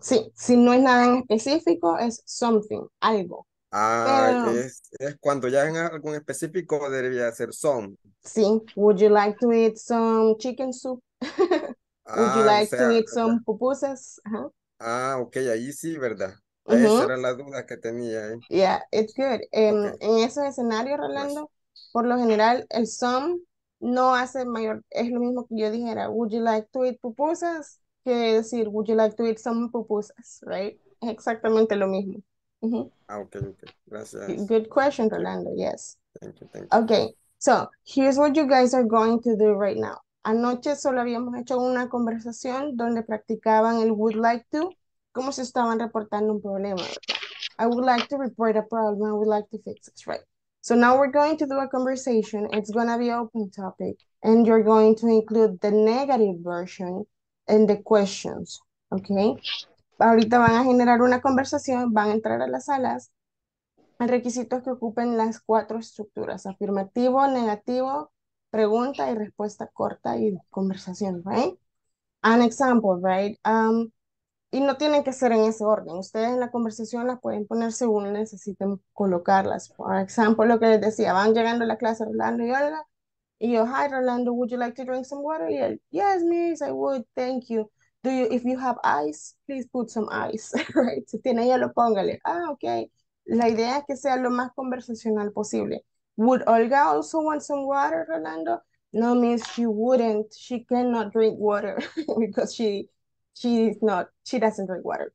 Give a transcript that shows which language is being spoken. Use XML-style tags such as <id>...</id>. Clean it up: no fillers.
<es>Sí, si no es nada en específico, es something, algo. Ah, pero... es cuando ya en algo en específico debería ser son.</es> <en>Sí, would you like to eat some chicken soup? Would you like to eat some pupusas?</en> <es>Okay, ahí sí, ¿verdad? Esa era la duda que tenía.</es> <en>Yeah, it's good.</en> <es>En esos escenarios, Rolando, por lo general, el some no hace mayor, es lo mismo que yo dijera,</es> <en>would you like to eat pupusas?</en> <es>Que decir,</es> <en>would you like to eat some pupusas, right?</en> <es>Es exactamente lo mismo. Okay, gracias.</es> <en>Good question, Rolando, yes. Thank you. Okay, so here's what you guys are going to do right now.</en> <es>Anoche solo habíamos hecho una conversación donde practicaban el would like to, como si estaban reportando un problema.</es> <en>I would like to report a problem, I would like to fix this, right? So now we're going to do a conversation, it's going to be open topic, and you're going to include the negative version in the questions, okay?</en> <es>Ahorita van a generar una conversación, van a entrar a las salas. El requisito es que ocupen las cuatro estructuras, afirmativo, negativo, pregunta y respuesta corta y conversación, right? An example, right? Y no tienen que ser en ese orden. Ustedes en la conversación las pueden poner según necesiten colocarlas.</es> <en>For example,</en> <es>lo que les decía, van llegando a la clase Rolando y Olga, y yo,</es> <en>hi Rolando, would you like to drink some water?</en> <es>Y él,</es> <en>yes, miss, I would, thank you. Do you, if you have ice, please put some ice, right?</en> <es>Si tiene hielo, póngale. Ah, okay. La idea es que sea lo más conversacional posible.</es> <en>Would Olga also want some water, Rolando? No, miss, she wouldn't. She cannot drink water because she doesn't drink water.</en>